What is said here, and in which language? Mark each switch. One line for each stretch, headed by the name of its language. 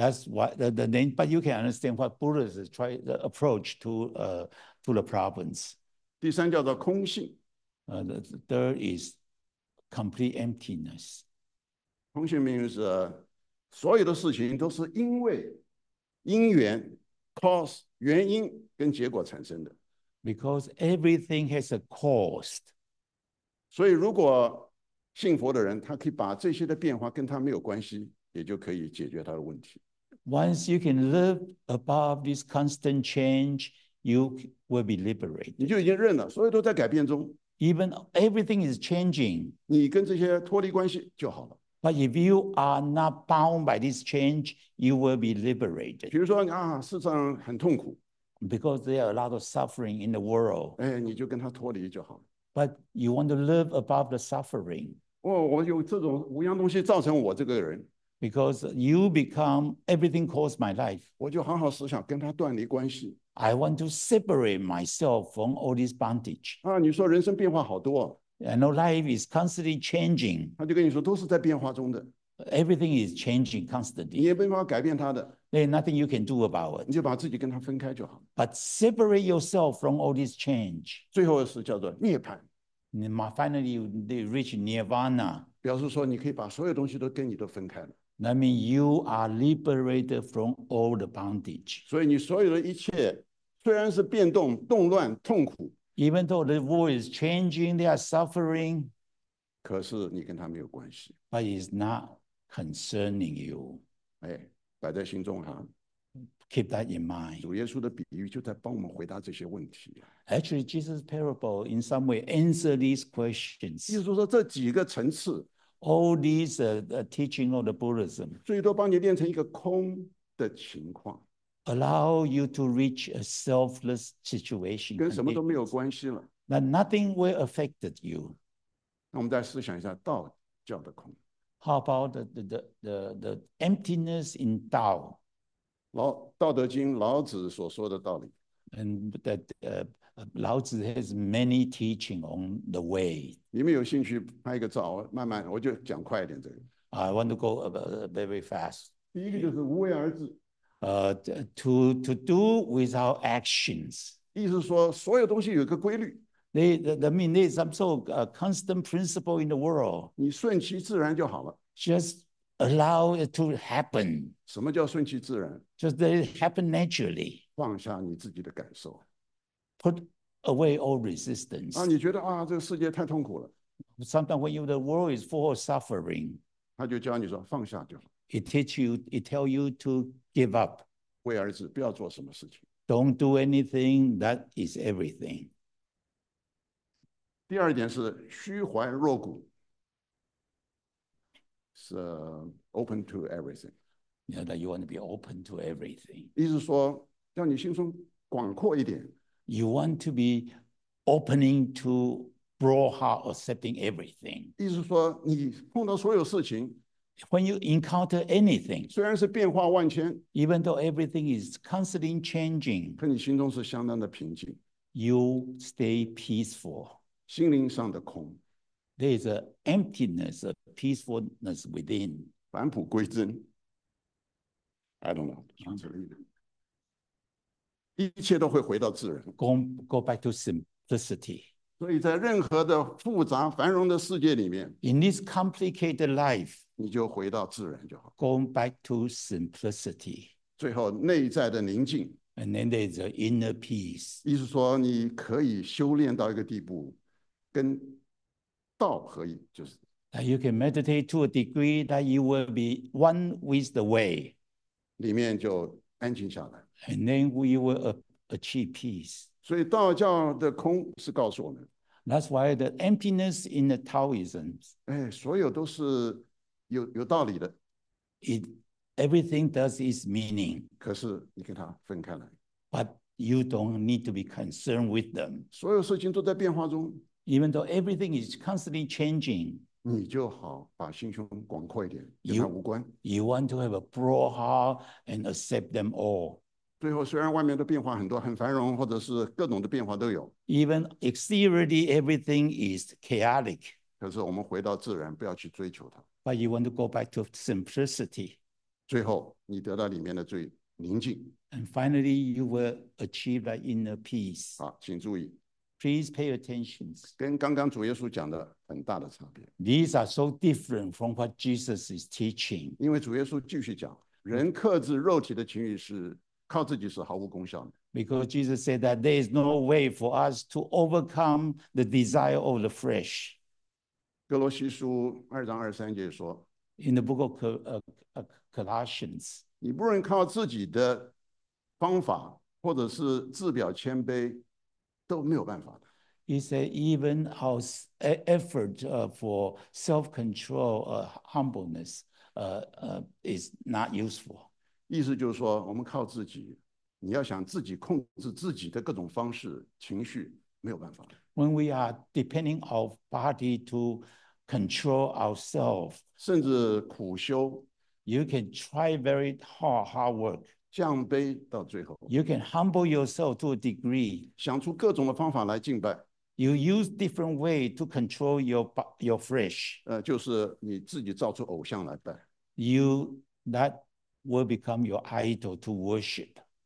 English: That's why the name, but you can understand what Buddhism try the approach to the problems.
Chinese: 第三叫做空性。
English: The third is complete emptiness.
Chinese: 空性 means所有的事情都是因为因缘 cause 原因跟结果产生的。
English: Because everything has a cause.
Chinese: 所以如果信佛的人他可以把这些的变化跟他没有关系也就可以解决他的问题。
English: Once you can live above this constant change, you will be liberated.
Chinese: 你就已经认了所有都在改变中。
English: Even everything is changing.
Chinese: 你跟这些脱离关系就好了。
English: But if you are not bound by this change, you will be liberated.
Chinese: 比如说啊，世上很痛苦。
English: Because there are a lot of suffering in the world.
Chinese: 哎，你就跟他脱离就好。
English: But you want to live above the suffering.
Chinese: 哦，我有这种五样东西造成我这个人。
English: Because you become everything caused my life.
Chinese: 我就好好思想跟他断离关系。
English: I want to separate myself from all this bondage.
Chinese: 啊，你说人生变化好多。
English: I know life is constantly changing.
Chinese: 他就跟你说都是在变化中的。
English: Everything is changing constantly.
Chinese: 你也没办法改变他的。
English: There's nothing you can do about it.
Chinese: 你就把自己跟他分开就好。
English: But separate yourself from all this change.
Chinese: 最后是叫做涅槃。
English: Finally, you reach nirvana.
Chinese: 表示说你可以把所有东西都跟你都分开了。
English: That means you are liberated from all the bondage.
Chinese: 所以你所有的一切虽然是变动、动乱、痛苦。
English: Even though the world is changing, they are suffering.
Chinese: 可是你跟他没有关系。
English: But it's not concerning you.
Chinese: 哎。摆在心中啊
English: ，keep that in mind。
Chinese: 主耶稣的比喻就在帮我们回答这些问题。
English: Actually, Jesus' parable in some way answer these questions。
Chinese: 意思说，这几个层次
English: ，all these teaching of the Buddhism，
Chinese: 最多帮你练成一个空的情况
English: ，allow you to reach a selfless situation，
Chinese: 跟什么都没有关系了。
English: That nothing will affect you。
Chinese: 那我们再思想一下道教的空。
English: How about the emptiness in Tao?
Chinese: 道德经老子所说的道理。
English: And that, 老子 has many teaching on the way.
Chinese: 你们有兴趣拍个照，慢慢我就讲快一点这个。
English: I want to go very fast.
Chinese: 第一个就是无为而治。
English: To do without actions.
Chinese: 意思说所有东西有个规律。
English: They mean there's some sort of a constant principle in the world.
Chinese: 你顺其自然就好了。
English: Just allow it to happen.
Chinese: 什么叫顺其自然？
English: Just let it happen naturally.
Chinese: 放下你自己的感受。
English: Put away all resistance.
Chinese: 啊，你觉得啊，这个世界太痛苦了。
English: Sometimes when the world is full of suffering,
Chinese: 他就教你说放下就好。
English: It tell you to give up.
Chinese: 无为而治，不要做什么事情。
English: Don't do anything. That is everything.
Chinese: 第二点是虚怀若谷
English: is open to everything. Yeah, that you want to be open to everything.
Chinese: 意思说叫你心胸广阔一点。
English: You want to be opening to broad heart, accepting everything.
Chinese: 意思说你碰到所有事情。
English: When you encounter anything,
Chinese: 虽然是变化万千。
English: Even though everything is constantly changing,
Chinese: 可你心中是相当的平静。
English: You stay peaceful.
Chinese: 心灵上的空
English: ，there is an emptiness, a peacefulness within.
Chinese: 返璞归真 ，
English: I don't know.
Chinese: 一切都会回到自然。
English: Go back to simplicity.
Chinese: 所以在任何的复杂繁荣的世界里面
English: ，In this complicated life，
Chinese: 你就回到自然就好。
English: Going back to simplicity，
Chinese: 最后内在的宁静
English: ，And then there's an inner peace。
Chinese: 意思说，你可以修炼到一个地步，跟道合一，就是。
English: That you can meditate to a degree that you will be one with the way，
Chinese: 里面就安静下来。
English: And then we will achieve peace。
Chinese: 所以道教的空是告诉我们
English: ，That's why the emptiness in the Taoism，
Chinese: 哎，所有都是有道理的。
English: It everything does its meaning。
Chinese: 可是你跟它分开来
English: ，But you don't need to be concerned with them。
Chinese: 所有事情都在变化中
English: ，Even though everything is constantly changing，
Chinese: 你就好把心胸广阔一点，跟它无关。
English: You want to have a broad heart and accept them all。
Chinese: 最后，虽然外面的变化很多，很繁荣，或者是各种的变化都有。
English: Even exteriorly, everything is chaotic.
Chinese: 可是我们回到自然，不要去追求它。
English: But you want to go back to simplicity.
Chinese: 最后，你得到里面的最宁静。
English: And finally, you will achieve that inner peace.
Chinese: 好，请注意。
English: Please pay attention.
Chinese: 跟刚刚主耶稣讲的很大的差别。
English: These are so different from what Jesus is teaching.
Chinese: 因为主耶稣继续讲，人克制肉体的情欲是。靠自己是毫无功效的。
English: Because Jesus said that there is no way for us to overcome the desire of the flesh.
Chinese: 哥罗西书二章二三节说
English: ，In the book of Colossians，
Chinese: 你不能靠自己的方法或者是自表谦卑都没有办法的。
English: He said even our effort for self-control or humbleness is not useful.
Chinese: 意思就是说我们靠自己，你要想自己控制自己的各种方式情绪没有办法。
English: When we are depending on body to control ourselves，
Chinese: 甚至苦修，
English: You can try very hard work，
Chinese: 降卑到最后，
English: You can humble yourself to a degree，
Chinese: 想出各种的方法来敬拜，
English: You use different way to control your flesh，
Chinese: 就是你自己造出偶像来拜，
English: You that will become your idol to worship，